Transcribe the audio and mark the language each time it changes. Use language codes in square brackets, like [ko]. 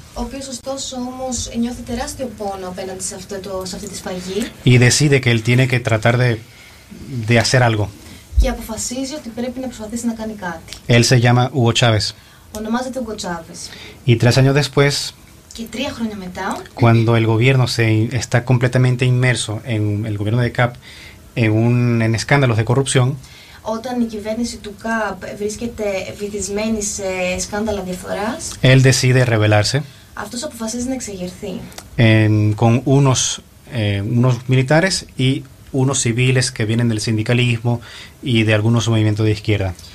[el] Ο οποίος ωστόσο όμως νιώθει τεράστιο πόνο απέναντι σε αυτή τη σφαγή. [es] Y decide que él tiene que tratar de hacer algo. [el] Και αποφασίζει ότι πρέπει να προσπαθήσει να κάνει κάτι. [es] Él se llama Hugo Chávez. [el] Ονομάζεται Hugo Chávez. [es] Y tres años después. [el] Και τρία χρόνια μετά. [es] Cuando el gobierno está completamente inmerso en el gobierno de CAP en escándalos de corrupción. [el] Όταν η κυβέρνηση του ΚΑΠ βρίσκεται βυθισμένη σε σκάνδαλα διαφθοράς, [es] él decide rebelarse. [el] Αυτός αποφασίζει να εξεγερθεί. [es] Con unos militares y unos civiles que vienen del sindicalismo y de algunos movimientos de izquierda.